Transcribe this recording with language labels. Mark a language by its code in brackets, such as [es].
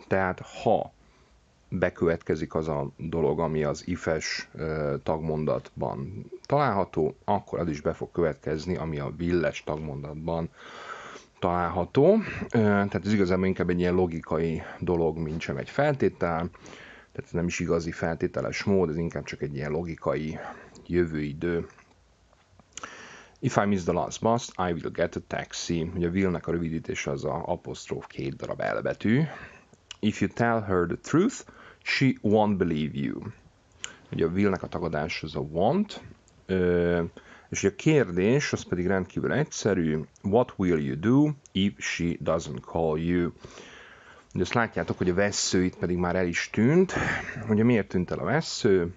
[hu] Tehát ha bekövetkezik az a dolog, ami az if-es tagmondatban található, akkor az is be fog következni, ami a will-es tagmondatban található, tehát ez igazából inkább egy ilyen logikai dolog, mint sem egy feltétel, tehát ez nem is igazi feltételes mód, ez inkább csak egy ilyen logikai jövőidő. If I miss the last bus, I will get a taxi. Ugye a will-nek a rövidítése az a apostróf két darab elbetű. [en] If you tell her the truth, she won't believe you. [hu] Ugye a will-nek a tagadás az a want. És a kérdés, az pedig rendkívül egyszerű, what will you do if she doesn't call you? Ugye azt látjátok, hogy a vesző itt pedig már el is tűnt. Ugye miért tűnt el a vesző?